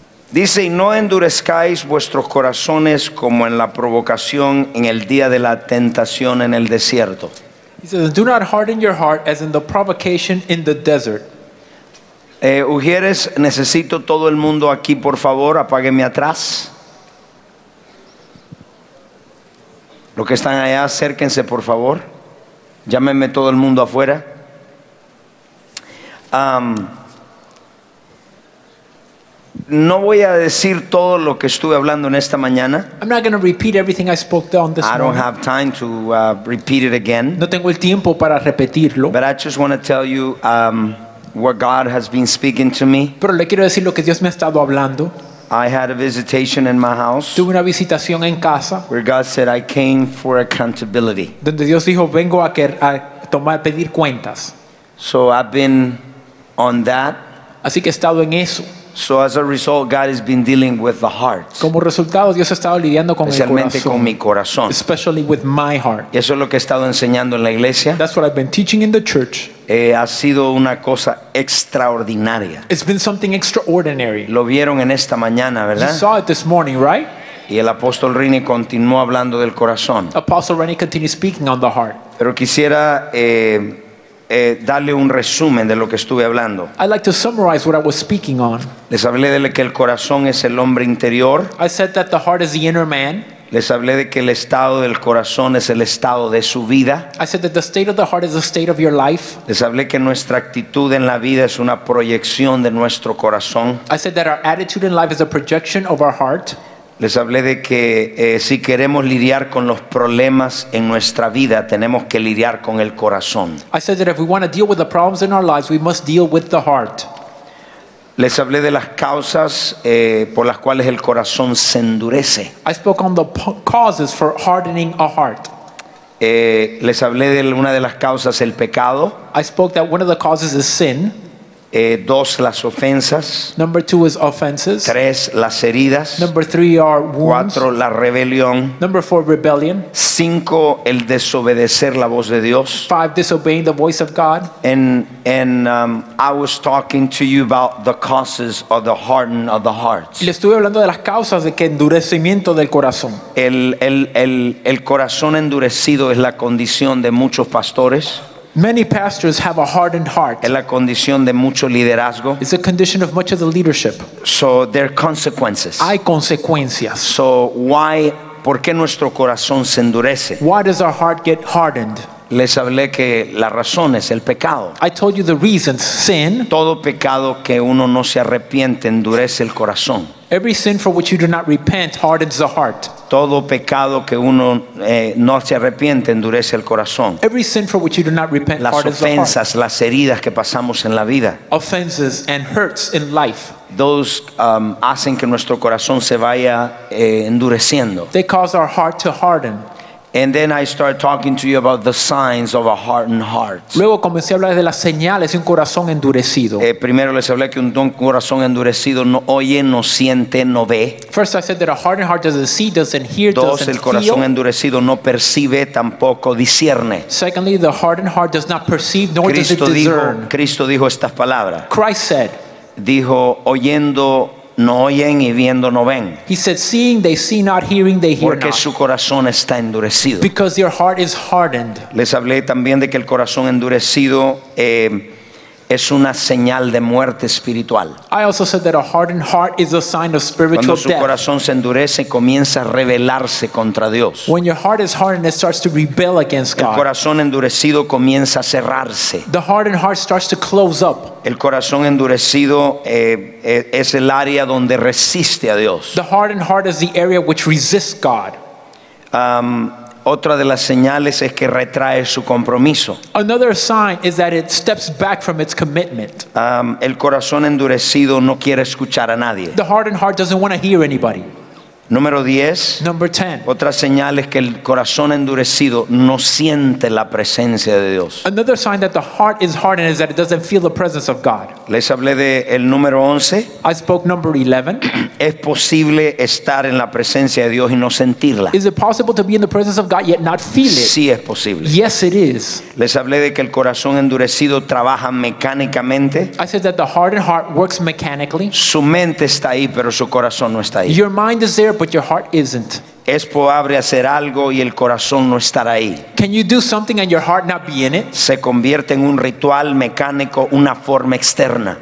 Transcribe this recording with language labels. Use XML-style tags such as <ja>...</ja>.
<es>Dice, y no endurezcáis vuestros corazones como en la provocación en el día de la tentación en el desierto.</es> <en>He says, do not harden your heart as in the provocation in the desert.</en> <es>Ujieres, necesito todo el mundo aquí, por favor, apágueme atrás. Los que están allá, acérquense, por favor. Llámeme todo el mundo afuera. No voy a decir todo lo que estuve hablando en esta mañana.</es> <en>I'm not going to repeat everything I spoke down this morning. I don't have time to repeat it again.</en> <es>No tengo el tiempo para repetirlo.</es> <en>But I just want to tell you what God has been speaking to me.</en> <es>Pero le quiero decir lo que Dios me ha estado hablando.</es> <en>I had a visitation in my house.</en> <es>Tuve una visitación en casa.</es> <en>Where God said I came for accountability.</en> <es>Donde Dios dijo vengo a pedir cuentas.</es> <en>So I've been on that.</en> <es>Así que he estado en eso.</es> <en>So as a result, God has been dealing with the heart.</en> <es>Como resultado, Dios ha estado lidiando con el corazón. Especialmente con mi corazón.</es> <en>Especially with my heart.</en> <es>Y eso es lo que he estado enseñando en la iglesia.</es> <en>That's what I've been teaching in the church.</en> <es>Ha sido una cosa extraordinaria.</es> <en>It's been something extraordinary.</en> <es>Lo vieron en esta mañana, ¿verdad?</es> <en>You saw it this morning, right?</en> <es>Y el apóstol Rini continuó hablando del corazón.</es> <en>Apostle Rini continued speaking on the heart.</en> <es>Pero quisiera darle un resumen de lo que estuve hablando.</es> <en>I'd like to summarize what I was speaking on.</en> <es>Les hablé de que el corazón es el hombre interior.</es> <en>I said that the heart is the inner man.</en> <es>Les hablé de que el estado del corazón es el estado de su vida.</es> <en>I said that the state of the heart is the state of your life.</en> <es>Les hablé que nuestra actitud en la vida es una proyección de nuestro corazón.</es> <en>I said that our attitude in life is a projection of our heart.</en> <es>Les hablé de que si queremos lidiar con los problemas en nuestra vida, tenemos que lidiar con el corazón.</es> <en>I said that if we want to deal with the problems in our lives, we must deal with the heart.</en> <es>Les hablé de las causas por las cuales el corazón se endurece.</es> <en>I spoke on the causes for hardening a heart.</en> <es>Les hablé de una de las causas, el pecado.</es> <en>I spoke that one of the causes is sin.</en> <es>Dos, las ofensas.</es> <en>Number two is offenses.</en> <es>Tres, las heridas.</es> <en>Number three are wounds.</en> <es>Cuatro, la rebelión.</es> <en>Number four, rebellion.</en> <es>Cinco, el desobedecer la voz de Dios.</es> <en>Five, disobeying the voice of God. And I was talking to you about the causes of the hardening of the heart.</en> <es>Le estuve hablando de las causas de que endurecimiento del corazón. El corazón endurecido es la condición de muchos pastores.</es> <en>Many pastors have a hardened heart.</en> <es>Es la condición de mucho liderazgo.</es> <en>It's a condition of much of the leadership. So there are consequences.</en> <es>Hay consecuencias.</es> <en>So why,</en> <es>¿por qué nuestro corazón se endurece?</es> <en>Why does our heart get hardened?</en> <es>Les hablé que la razón es el pecado.</es> <en>I told you the reasons, sin.</en> <es>Todo pecado que uno no se arrepiente endurece el corazón.</es> <en>Every sin for which you do not repent hardens the heart.</en> <es>Todo pecado que uno no se arrepiente endurece el corazón.</es> <en>Every sin for which you do not repent hardens the heart.</en> <es>Las ofensas, las heridas que pasamos en la vida.</es> <en>Offenses and hurts in life. Those</en> <es>hacen que nuestro corazón se vaya endureciendo.</es> <en>They cause our heart to harden. And then I start talking to you about the signs of a hardened heart.</en> <es>Luego comencé a hablar de las señales de un corazón endurecido. Primero les hablé que un corazón endurecido no oye, no siente, no ve.</es> <en>First I said that a hardened heart doesn't see, doesn't hear, doesn't feel.</en> <es>Dos, el corazón endurecido no percibe, tampoco discierne.</es> <en>Secondly, the hardened heart does not perceive nor does it discern.</en> <es>Cristo dijo estas palabras.</es> <en>Christ said.</en> <es>Dijo oyendo no oyen y viendo no ven.</es> <en>He said, seeing they see not, hearing they hear</en> <es>porque Porque su corazón está endurecido.</es> <en>Because your heart is hardened.</en> <es>Les hablé también de que el corazón endurecido es una señal de muerte espiritual.</es> <en>I also said that a hardened heart is a sign of spiritual death.</en> <es>Cuando su corazón se endurece, comienza a rebelarse contra Dios.</es> <en>When your heart is hardened, it starts to rebel against God.</en> <es>El corazón endurecido comienza a cerrarse.</es> <en>The hardened heart starts to close up.</en> <es>El corazón endurecido es el área donde resiste a Dios.</es> <en>The hardened heart is the area which resists God.</en> <es>Otra de las señales es que retrae su compromiso.</es> <en>Another sign is that it steps back from its commitment.</en> <es>El corazón endurecido no quiere escuchar a nadie.</es> <en>The hardened heart doesn't want to hear anybody.</en> <es>Número 10.</es> <en>Number 10.</en> <es>Otra señal es que el corazón endurecido no siente la presencia de Dios.</es> <en>Another sign that the heart is hardened is that it doesn't feel the presence of God.</en> <es>Les hablé de el número 11.</es> <en>I spoke number 11.</en> <es>¿Es posible estar en la presencia de Dios y no sentirla?</es> <en>Is it possible to be in the presence of God yet not feel it?</en> <es>Sí, es posible.</es> <en>Yes, it is.</en> <es>Les hablé de que el corazón endurecido trabaja mecánicamente.</es> <en>I said that the hardened heart works mechanically.</en> <es>Su mente está ahí, pero su corazón no está ahí.</es> <en>Your mind is there, but your heart isn't.</en> <es>Es probable hacer algo y el corazón no estar ahí.</es> <en>Can you do something and your heart not be in it?</en> <es>Se convierte en un ritual mecánico, una forma externa.</es>